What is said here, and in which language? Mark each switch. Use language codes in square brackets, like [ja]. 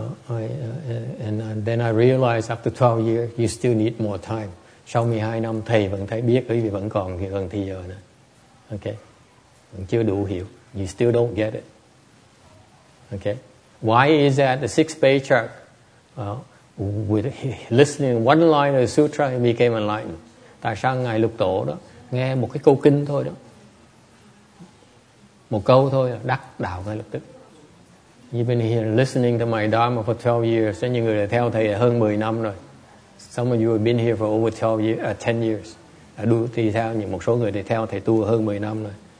[en] And then I realized after 12 years you still need more time. [vi] Sau 12 năm thầy vẫn thấy biết quý vị vẫn còn gần thì giờ nữa. [en] Okay? [vi] Vẫn chưa đủ hiểu. [en] You still don't get it. Okay? Why is that the six page chart with listening one line of the sutra he became enlightened? [vi] Tại sao ngài lục tổ đó nghe một cái câu kinh thôi đó. Một câu thôi đắc đạo ngay lập tức. [en] You've been here listening to my Dharma for 12 years. [vi] Những người đã theo thầy hơn 10 năm rồi. [en] Some of you have been here for over 10 years. [vi] Một số người đã theo thầy tu hơn 10 năm rồi.